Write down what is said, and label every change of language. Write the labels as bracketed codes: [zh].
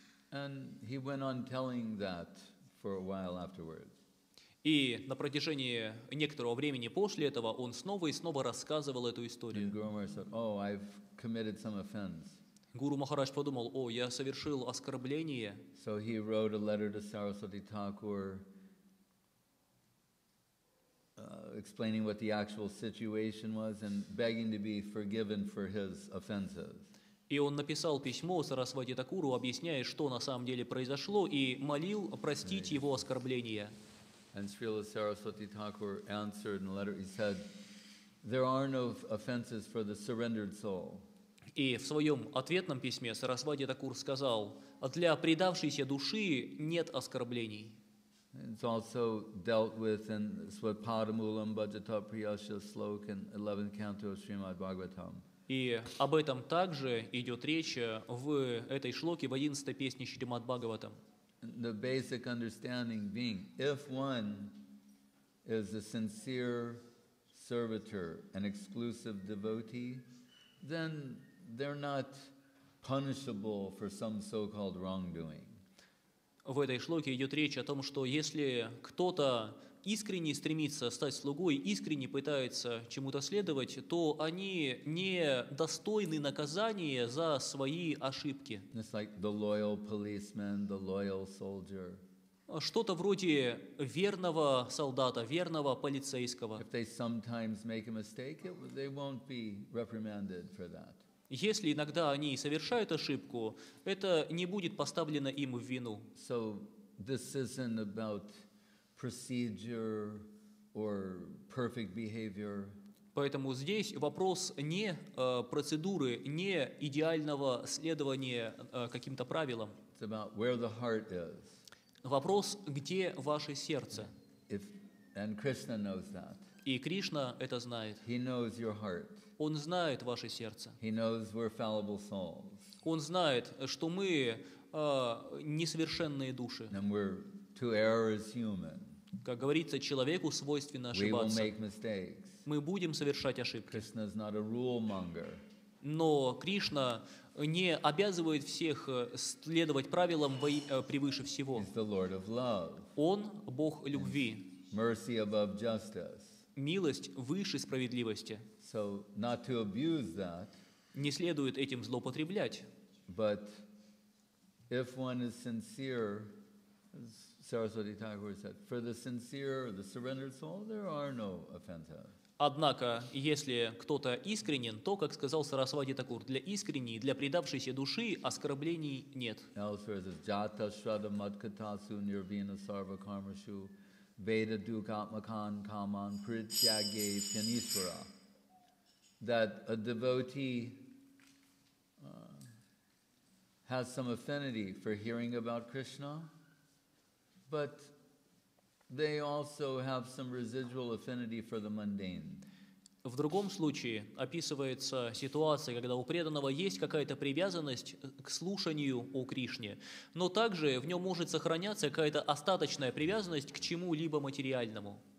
[en] And he went on telling that for a while afterwards. [ru] И на протяжении некоторого времени после этого он снова и снова рассказывал эту историю. [en] And Guru Maharaj said, oh, I've committed some offense. [ru] Гуру Махарадж подумал, «О, я совершил оскорбление». [en] So he wrote a letter to Saraswati Thakur, explaining what the actual situation was and begging to be forgiven for his offenses. [ru] И он написал письмо Сарасвати Такуру, объясняя, что на самом деле произошло, и молил простить его оскорбление. [en] And Srila Saraswati Thakur answered in a letter, he said, there are no offenses for the surrendered soul. [ru] И в своем ответном письме Сарасвати Такур сказал, для предавшейся души нет оскорблений. [en] It's also dealt with in Svapadamulam Bhajatapriyasya Sloka in 11th canto of Srimad Bhagavatam. [ru] И об этом также идет речь в этой шлоке в 11-й песне Шримад Бхагаватам. [en] The basic understanding being, if one is a sincere servitor, an exclusive devotee, then they're not punishable for some so-called wrongdoing. [ru] В этой шлоке идет речь о том, что если кто-то искренне стремится стать слугой, искренне пытается чему-то следовать, то они не достойны наказания за свои ошибки. [en] It's like the loyal policeman, the loyal soldier. [ru] Что-то вроде верного солдата, верного полицейского. [en] If they sometimes make a mistake, they won't be reprimanded for that. [ru] Если иногда они совершают ошибку, это не будет поставлено им в вину. [en] So this isn't about procedure or perfect behavior. [ru] Поэтому здесь вопрос не процедуры, не идеального следования каким-то правилам. [en] It's about where the heart is. [ru] Вопрос, где ваше сердце. [en] If, and Krishna knows that. [ru] И Кришна это знает. [en] He knows your heart. [ru] Он знает ваше сердце. [en] He knows we're fallible souls. [ru] Он знает, что мы несовершенные души. [en] And we're to err as human. [ru] Как говорится, человеку свойственно ошибаться. [en] We will make mistakes. [ru] Мы будем совершать ошибки. [en] Krishna is not a rule monger. [ru] Но Кришна не обязывает всех следовать правилам превыше всего. [en] He's the Lord of love. [ru] Он Бог любви. [en] Mercy above justice. [ru] Милость выше справедливости. [en] So not to abuse that. [ru] Не следует этим злоупотреблять. [en] But if one is sincere, Saraswati Thakur said, for the sincere, the surrendered soul, there are no offenses. [ru] Однако, если кто-то искренен, то, как сказал Сарасвати Такур, для искренней, для предавшейся души оскорблений нет. [en] Elsewhere says, [sa] jata shraddha madkatasu nirvina sarva karmashu veda dukatmakan kaman prityage pyanishvara. [en] That a devotee has some affinity for hearing about Krishna, but they also have some residual affinity for the mundane. [ru] В другом случае описывается ситуация, когда у преданного есть какая-то привязанность к слушанию о Кришне, но также в нем может сохраняться какая-то остаточная привязанность к чему-либо материальному.